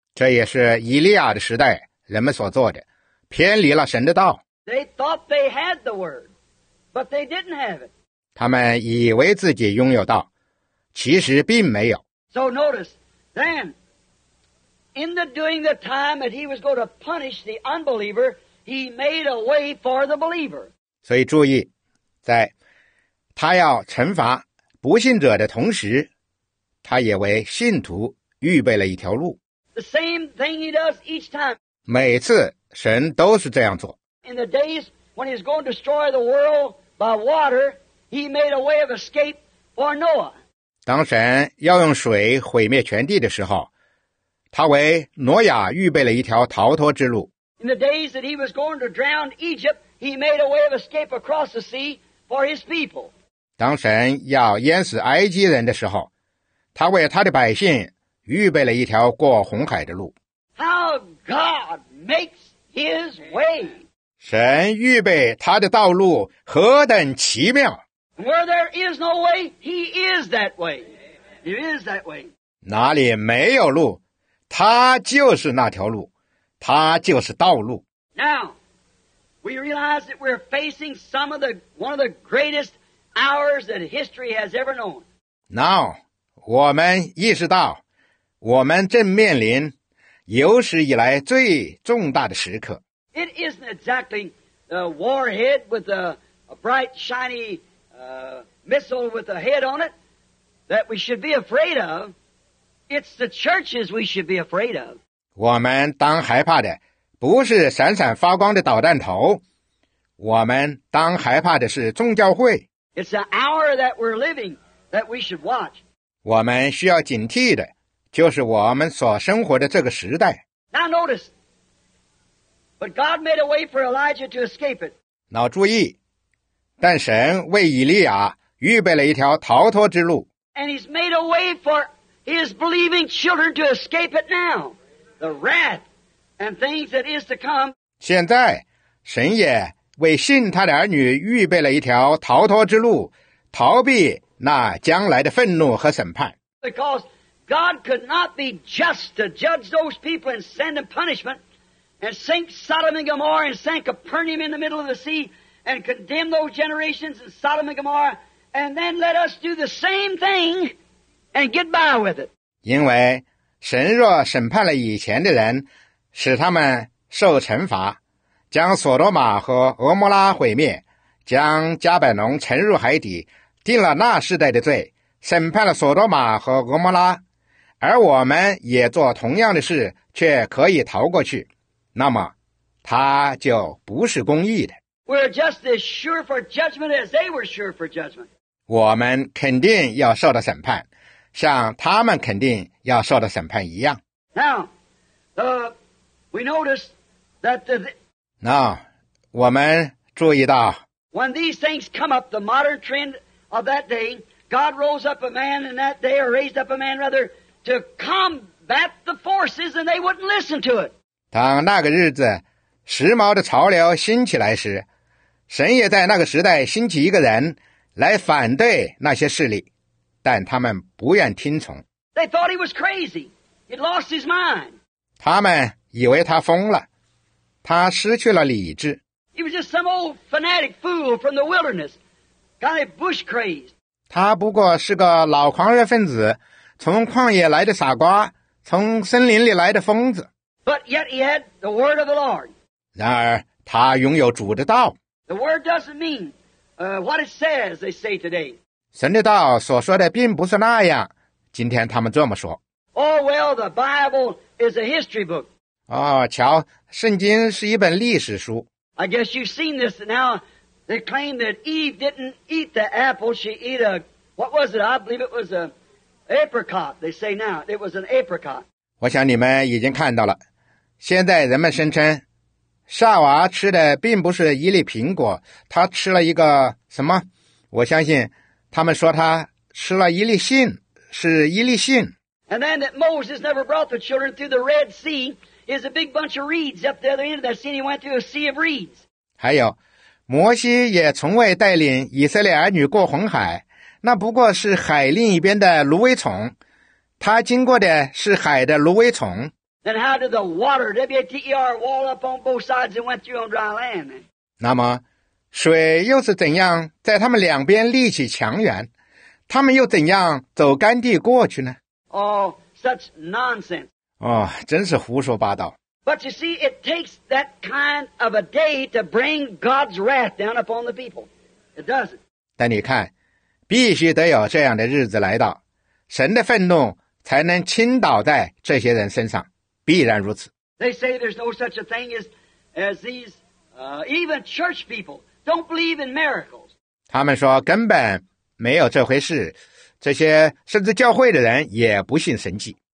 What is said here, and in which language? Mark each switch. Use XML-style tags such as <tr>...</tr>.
<zh>这也是以利亚的时代人们所做的，偏离了神的道。</zh> <en>They thought they had the word, but they didn't have it.</en> <zh>他们以为自己拥有道，其实并没有。</zh> <en>So notice, then, in the doing the time that he was going to punish the unbeliever, he made a way for the believer.</en> <zh>所以注意，在他要惩罚不信者的同时，他也为信徒预备了一条路。</zh> <en>The same thing he does each time.</en> <zh>每次神都是这样做。</zh> <en>In the days when he's going to destroy the world by water, he made a way of escape for Noah.</en> <zh>当神要用水毁灭全地的时候，他为挪亚预备了一条逃脱之路。</zh> <en>In the days that he was going to drown Egypt, he made a way of escape across the sea for his people.</en> <zh>当神要淹死埃及人的时候，他为他的百姓预备了一条过红海的路。</zh> <en>How God makes his way.</en> <zh>神预备他的道路何等奇妙。</zh> <en>Where there is no way, he is that way. He is that way.</en> <zh>哪里没有路，他就是那条路，他就是道路。</zh> <en>Now, we realize that we're facing one of the greatest hours that history has ever known. Now,</en> <zh>我们意识到我们正面临有史以来最重大的时刻。</zh> <en>It isn't exactly the warhead with a bright, shiny, missile with a head on it that we should be afraid of. It's the churches we should be afraid of.</en> <zh>我们当害怕的不是闪闪发光的导弹头，我们当害怕的是众教会。</zh> <en>It's the hour that we're living that we should watch.</en> <zh>我们需要警惕的就是我们所生活的这个时代。</zh> <en>Now notice, but God made a way for Elijah to escape it.</en> <zh>那注意，但神为以利亚预备了一条逃脱之路。</zh> <en>And he's made a way for his believing children to escape it now. The wrath and things that is to come.</en> <zh>现在，神也为信他的儿女预备了一条逃脱之路，逃避那将来的愤怒和审判。</zh> <en>Because God could not be just to judge those people and send them punishment and sink Sodom and Gomorrah and sink Capernaum in the middle of the sea and condemn those generations in Sodom and Gomorrah and then let us do the same thing and get by with it.</en> <zh>因为神若审判了以前的人，使他们受惩罚，将索罗玛和俄摩拉毁灭，将加百农沉入海底，定了那世代的罪，审判了索罗玛和俄摩拉，而我们也做同样的事，却可以逃过去，那么他就不是公义的。</zh> <en>We're just as sure for judgment as they were sure for judgment.</en> <zh>我们肯定要受到审判，像他们肯定要受到审判一样。</zh> <en>Now, we notice that the Now,</en> <zh>我们注意到</zh> <en>When these things come up, the modern trend of that day, God rose up a man in that day, or raised up a man rather, to combat the forces, and they wouldn't listen to it.</en> <zh>当那个日子时髦的潮流兴起来时，神也在那个时代兴起一个人来反对那些势力，但他们不愿听从。</zh> <en>They thought he was crazy. He lost his mind.</en> <zh>他们以为他疯了。他失去了理智。</zh> <en>He was just some old fanatic fool from the wilderness, kind of bush crazed.</en> <zh>他不过是个老狂热分子，从旷野来的傻瓜，从森林里来的疯子。</zh> <en>But yet he had the word of the Lord.</en> <zh>然而他拥有主的道。</zh> <en>The word doesn't mean what it says they say today.</en> <zh>神的道所说的并不是那样，今天他们这么说。</zh> <en>Oh well, the Bible is a history book.</en> <zh>哦，瞧。圣经是一本历史书。</zh> <en>I guess you've seen this now. They claim that Eve didn't eat the apple. She ate a, what was it? I believe it was an apricot. They say now it was an apricot.</en> <zh>我想你们已经看到了。现在人们声称，夏娃吃的并不是一粒苹果，她吃了一个什么？我相信他们说她吃了一粒杏，是一粒杏。</zh> <en>And then that Moses never brought the children through the Red Sea. Is a big bunch of reeds up the other end of that sea. He went through a sea of reeds.</en> <zh>还有，摩西也从未带领以色列儿女过红海，那不过是海另一边的芦苇丛。他经过的是海的芦苇丛。</zh> <en>Then how did the water, water, wall up on both sides and went through on dry land?</en> <zh>那么，水又是怎样在他们两边立起墙垣？他们又怎样走干地过去呢</zh> <en>？Oh, such nonsense.</en> <zh>哦，真是胡说八道。</zh> <en>But you see, it takes that kind of a day to bring God's wrath down upon the people. It doesn't.</en> <zh>但你看，必须得有这样的日子来到，神的愤怒才能倾倒在这些人身上，必然如此。</zh> <en>They say there's no such a thing as these, even church people don't believe in miracles.</en> <zh>他们说根本没有这回事，这些甚至教会的人也不信神迹。</zh>